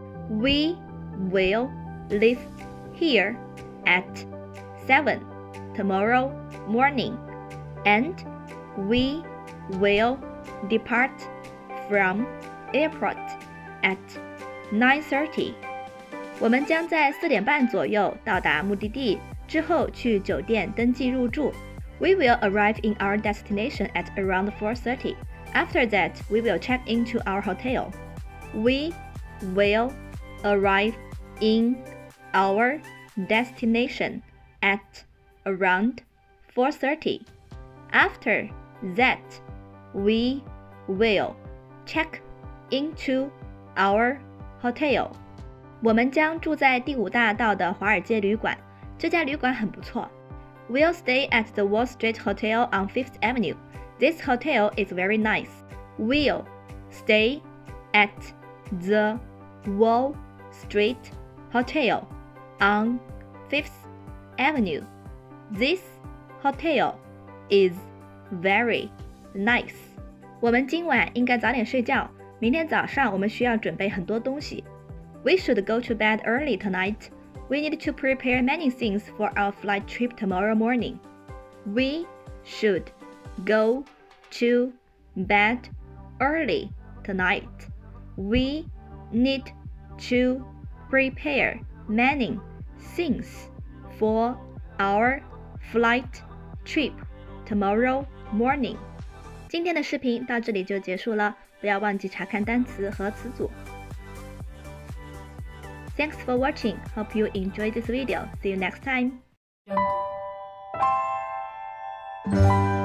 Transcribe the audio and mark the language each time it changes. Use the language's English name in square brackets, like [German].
[English] We will leave here at 7 tomorrow morning, and we will depart from airport at 9:30. [Chinese] 我们将在4点半左右到达目的地，之后去酒店登记入住。 [English] We will arrive in our destination at around 4:30. After that, we will check into our hotel. We will arrive in our destination at around 4:30. After that, we will check into our hotel. [Chinese] 我们将住在第五大道的华尔街旅馆，这家旅馆很不错。 [English] We'll stay at the Wall Street Hotel on Fifth Avenue. This hotel is very nice. We'll stay at the Wall Street Hotel on Fifth Avenue. This hotel is very nice. [Chinese] 我们今晚应该早点睡觉，明天早上我们需要准备很多东西。 [English] We should go to bed early tonight. We need to prepare many things for our flight trip tomorrow morning. We should go to bed early tonight. We need to prepare many things for our flight trip tomorrow morning. [Chinese] 今天的视频到这里就结束了，不要忘记查看单词和词组。 [English] Thanks for watching. Hope you enjoyed this video. See you next time.